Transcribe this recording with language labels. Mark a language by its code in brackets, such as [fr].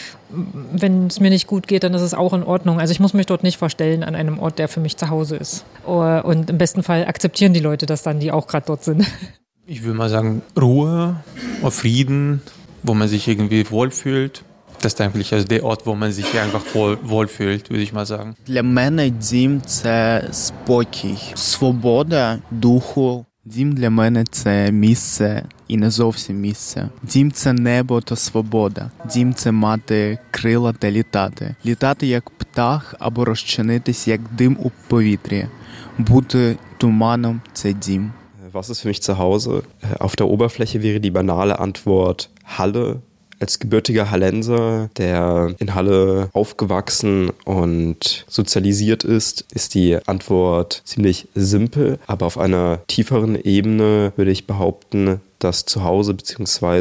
[de] Wenn es mir nicht gut geht, dann ist es auch in Ordnung. Also ich muss mich dort nicht verstellen an einem Ort, der für mich zu Hause ist. Und im besten Fall akzeptieren die Leute das dann, die auch gerade dort sind. Ich würde mal sagen, Ruhe, Frieden, wo man sich irgendwie wohlfühlt. Das ist eigentlich also der Ort, wo man sich einfach wohlfühlt, würde ich mal sagen. [uk] Для мене дім – це спокій, свобода духу. Дім для мене – це місце і не зовсім місце. Дім – це небо та свобода. Дім – це мати крила та літати. Літати як птах або розчинитись як дим у повітрі. Бути туманом – це дім. [de] Was ist für mich zu Hause? Auf der Oberfläche wäre die banale Antwort Halle. Als gebürtiger Hallenser, der in Halle aufgewachsen und sozialisiert ist, ist die Antwort ziemlich simpel. Aber auf einer tieferen Ebene würde ich behaupten, dass Zuhause bzw.